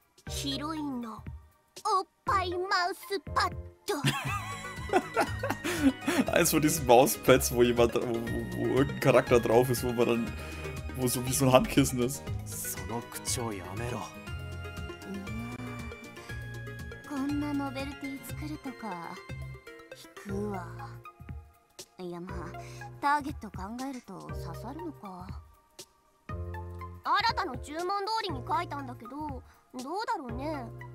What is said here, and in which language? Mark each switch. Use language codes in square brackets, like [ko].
[ja] ヒロインのおっぱいマウスパッド。 [de] Eins von diesen Mauspads, wo jemand, wo irgendein Charakter drauf ist, wo man dann, wo so wie so ein Handkissen ist. [ja] その口をやめろ。こんなノベルティ作るとか引くわ。いやまあターゲット考えると刺さるのか。新たな注文通りに書いたんだけど、どうだろうね。